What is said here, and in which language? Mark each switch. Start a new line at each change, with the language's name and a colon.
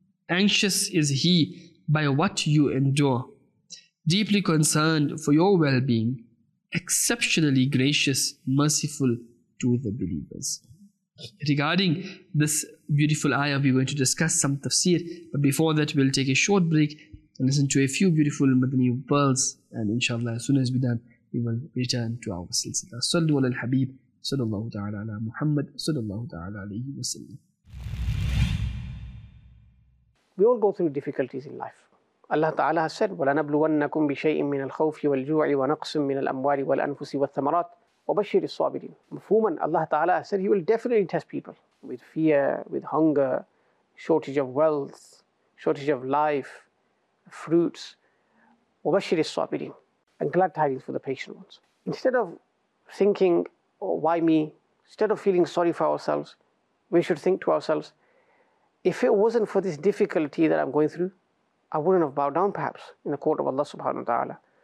English: Anxious is he by what you endure, deeply concerned for your well-being, exceptionally gracious, merciful to the believers. Regarding this beautiful ayah, we're going to discuss some tafsir, but before that we'll take a short break and listen to a few beautiful Madani pearls, and inshallah as soon as we're done, we will return to our silsila.
Arabic: Sallu ala al-habib صلى الله تعالى على محمد صلى الله تعالى عليه وسلم.
English: We all go through difficulties in life. Allah Ta'ala has said,
Arabic: وَلَنَبْلُوَنَّكُمْ بِشَيْءٍ مِّنَ الْخَوْفِ وَالْجُوعِ وَنَقْصٍ مِّنَ الْأَمْوَالِ وَالْأَنفُسِ وَالثَّمَرَاتِ وَبَشِّرِ الصَّابِرِينَ.
English: مفهوماً, Allah Ta'ala has said, He will definitely test people with fear, with hunger, shortage of wealth, shortage of life, fruits.
Arabic: وَبَشِّرِ الصَّابِرِينَ.
English: And glad tidings for the patient ones. Instead of thinking, why me? Instead of feeling sorry for ourselves, we should think to ourselves, if it wasn't for this difficulty that I'm going through, I wouldn't have bowed down perhaps in the court of Allah subhanahu wa ta'ala.